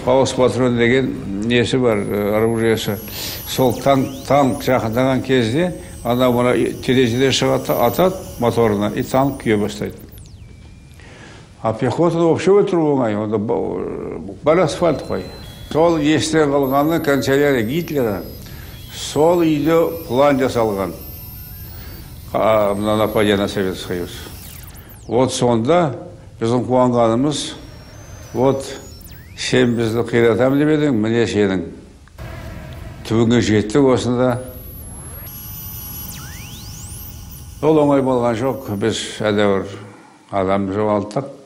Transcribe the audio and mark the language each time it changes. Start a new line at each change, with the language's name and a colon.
Kazakh: Фауст патрон деген несі бар, оружиесі. Сол танк жақындаған кезде, ана мұна терезеден шығады, атады моторына, и танк күйе бастайды.
Russian: А пехота вообще
Kazakh: өтіру оңай, онда бар асфальт қой. Сол есте қалғаны
Russian: канцелярия Гитлера.
Kazakh: Сол үйде план жасалған.
Russian: Нападение на Советский Союз.
Kazakh: Вот сонда біздің қуанғанымыз. Вот сен бізді қиратам деп едің, міне сенің. Түбіңе жеттік осында. Ол оңай болған жоқ. Біз әдәуір адам жоғалттық.